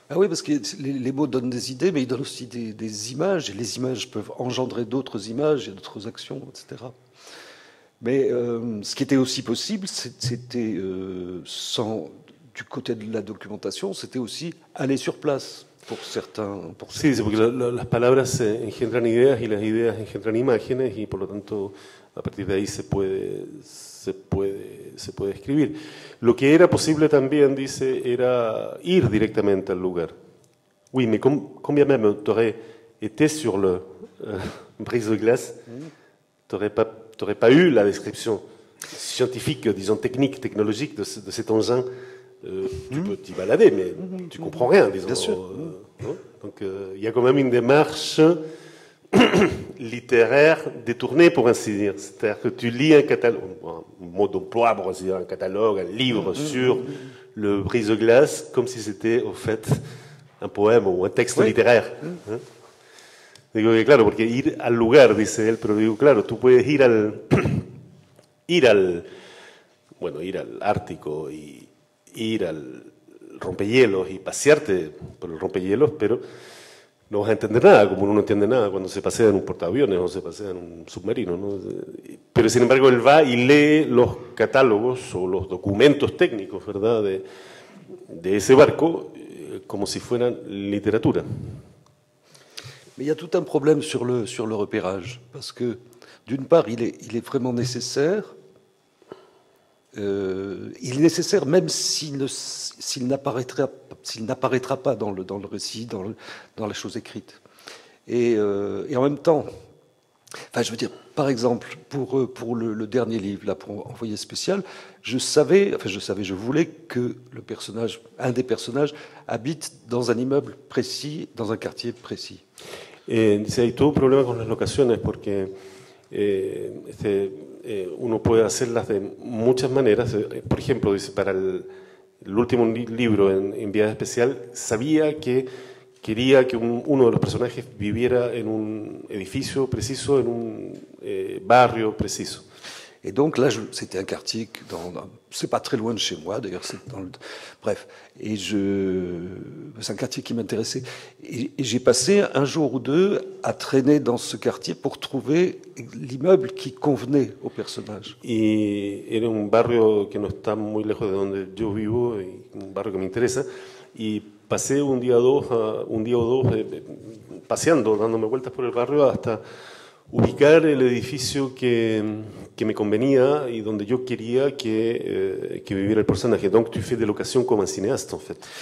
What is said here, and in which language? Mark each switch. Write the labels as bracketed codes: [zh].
[fr] Ah, oui, parce que les mots donnent des idées, mais ils donnent aussi des images, et les images peuvent engendrer d'autres images et d'autres actions, etc. Mais ce qui était aussi possible, c'était, sans du côté de la documentation, c'était aussi aller sur place pour certains. Pour [es] sí, sí, porque las palabras engendran ideas y las ideas engendran imágenes y, por lo tanto, a partir de ahí se puede escribir. Lo que era posible también, dice, era ir directamente al lugar. [fr] Oui, mais combien même t'aurais été sur le brise de glace, t'aurais pas eu la description scientifique, disons technique, technologique de cet engin. Tu peux t'y balader, mais tu comprends rien, disons. Bien sûr. Donc il y a quand même une démarche littéraire détournée, pour ainsi dire. C'est-à-dire que tu lis un catalogue, un mot d'emploi, pour ainsi dire, un catalogue, un livre sur le brise-glace, comme si c'était, au fait, un poème ou un texte littéraire. [es] Digo que claro, porque ir al lugar, dice él, pero digo, claro, tú puedes ir al, ir al Ártico y ir al rompehielos y pasearte por el rompehielos, pero no vas a entender nada, como uno no entiende nada cuando se pasea en un portaaviones o se pasea en un submarino, ¿no? Pero sin embargo, él va y lee los catálogos o los documentos técnicos, ¿verdad?, de ese barco como si fueran literatura. [fr] Mais il y a tout un problème sur le repérage, parce que d'une part il est vraiment nécessaire, il est nécessaire même s'il n'apparaîtra pas dans le récit, dans la chose écrite. Et en même temps, enfin, je veux dire, par exemple, pour le dernier livre, là, pour Envoyé spécial, je voulais que le personnage, un des personnages, habite dans un immeuble précis, dans un quartier précis. Et c'est tout le problème avec les locations, parce que [es] uno puede hacerlas de muchas maneras. Por ejemplo, dice, para el último libro en Vía Especial, sabía que quería que uno de los personajes viviera en un edificio preciso, en un barrio preciso. [fr] Et donc là, c'était un quartier, c'est pas très loin de chez moi, d'ailleurs, c'est un quartier qui m'intéressait. Et j'ai passé un jour ou deux à traîner dans ce quartier pour trouver l'immeuble qui convenait au personnage. [es] Et era un barrio que no está muy lejos de donde yo vivo, un barrio que me interesa. Y pasé un día o dos, paseando, dándome vueltas por el barrio hasta ubicar el edificio que me convenía y donde yo quería que viviera el personaje. [fr] Donc tu fais des locations comme un cinéaste, en fait.